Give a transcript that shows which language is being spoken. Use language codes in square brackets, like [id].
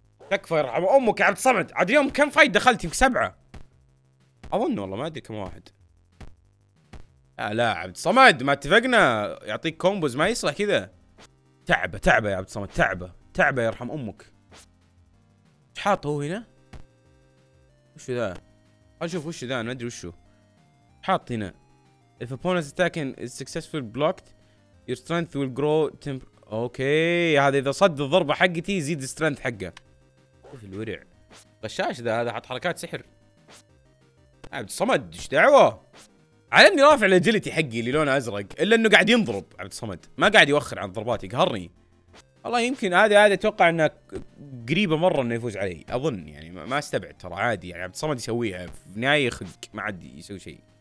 [ar] تكفى يرحم امك يا عبد الصمد. عاد اليوم كم فايت دخلت؟ يمكن 7 اظن، والله ما ادري كم واحد. لا عبد الصمد ما اتفقنا يعطيك كومبوز ما يصلح كذا. تعبه يا عبد الصمد، تعبه يرحم امك. ايش حاط هو هنا؟ وش ذا؟ خل نشوف وش ذا، ما ادري وش هو. حاط هنا [en] if opponent's attack is successfully blocked your strength will grow [ar] اوكي هذا اذا صد الضربه حقتي يزيد strength حقه. شوف الورع غشاش ذا، هذا حط حركات سحر. عبد الصمد ايش دعوه؟ على اني رافع الاجيلتي حقي اللي لونه ازرق، الا انه قاعد ينضرب عبد الصمد، ما قاعد يوخر عن ضرباتي، يقهرني. والله يمكن هذه اتوقع انها قريبه مره انه يفوز علي، اظن يعني ما استبعد ترى عادي يعني عبد الصمد يسويها في النهايه يخدك ما عاد يسوي شيء.